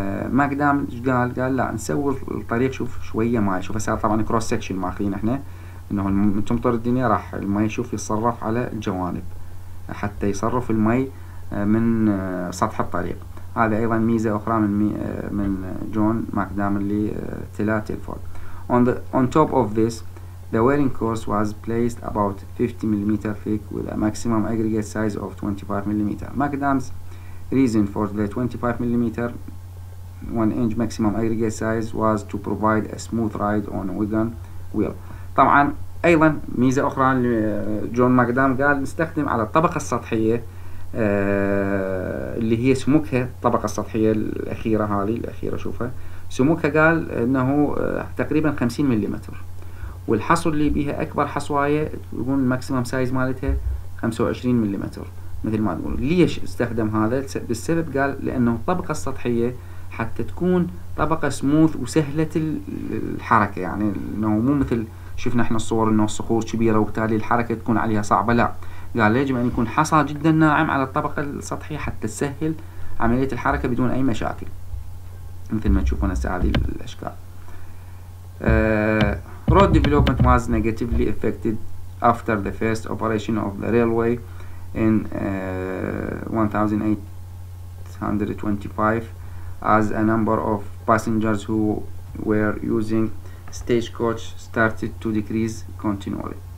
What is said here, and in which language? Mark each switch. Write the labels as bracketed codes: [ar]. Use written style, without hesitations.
[ar] ماكدام ايش قال لا نسوي الطريق شوف شويه مايل شوف هسه طبعا كروس سكشن ماخذين احنا انه من تمطر الدنيا راح المي شوف يتصرف على الجوانب حتى يصرف المي من سطح الطريق هذا ايضا ميزه اخرى من جون ماكدام اللي تلا تيلفورد [en] on top of this The wearing course was placed about 50 millimeter thick with a maximum aggregate size of 25 millimeter. [ar] Macadam's reason for the 25 millimeter [en] 1 inch maximum aggregate size was to provide a smooth ride on wagon wheel. [ar] طبعا ايضا ميزه اخرى جون ماكدام قال نستخدم على الطبقه السطحيه اللي هي سموكها الطبقه السطحيه الاخيره هالي الاخيره شوفها سموكها قال انه تقريبا 50 ملم والحصو اللي بيها اكبر حصوايه يكون [en] الماكسيمم سايز [ar] مالتها 25 ملم مثل ما تقول ليش استخدم هذا بالسبب قال لانه الطبقه السطحيه حتى تكون طبقه سموث وسهله الحركه يعني انه مو مثل شفنا احنا الصور انه الصخور كبيره وبالتالي الحركه تكون عليها صعبه لا قال يجب ان يكون حصى جدا ناعم على الطبقه السطحيه حتى تسهل عمليه الحركه بدون اي مشاكل مثل ما تشوفون هسه هذه الاشكال. [en] Road development was negatively affected after the first operation of the railway in 1825 as a number of passengers who were using stagecoach started to decrease continually.